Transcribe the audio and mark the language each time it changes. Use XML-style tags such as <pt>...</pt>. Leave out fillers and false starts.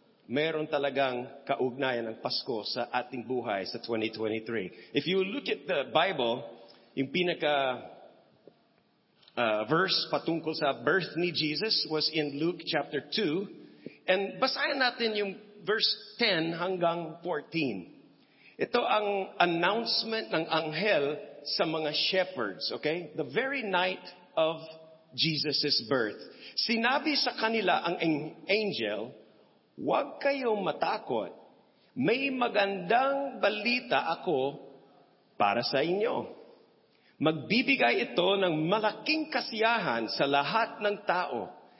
<tl>Meron talagang kaugnayan ng Pasko sa ating buhay sa 2023.</tl> <en>If you look at the Bible, yung pinaka verse</en> <tl>patungkol sa</tl> <en>birth ni Jesus was in Luke chapter 2.</en> <tl>And basahin natin yung verse 10 hanggang 14. Ito ang announcement ng anghel sa mga shepherds, okay?</tl> <en>The very night of Jesus' birth.</en> <tl>Sinabi sa kanila ang angel, "Huwag kayong matakot. May magandang balita ako para sa inyo. Magbibigay ito ng malaking kasiyahan sa lahat ng tao.</tl>